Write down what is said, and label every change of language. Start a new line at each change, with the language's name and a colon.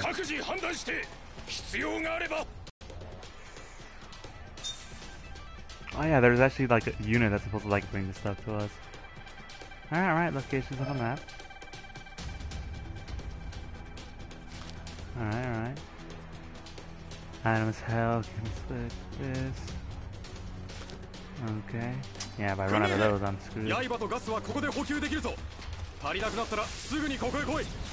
Japanese: 各自判断して必要があれば。
English: Oh yeah, there's actually like a unit that's supposed to like bring this stuff to us. Alright, locations on the map. Alright. Items, health, can split this. Okay. Yeah, if I run out of those, I'm screwed.
Japanese: 刃とガスはここで補給できるぞ。足りなくなったらすぐにここへ来い。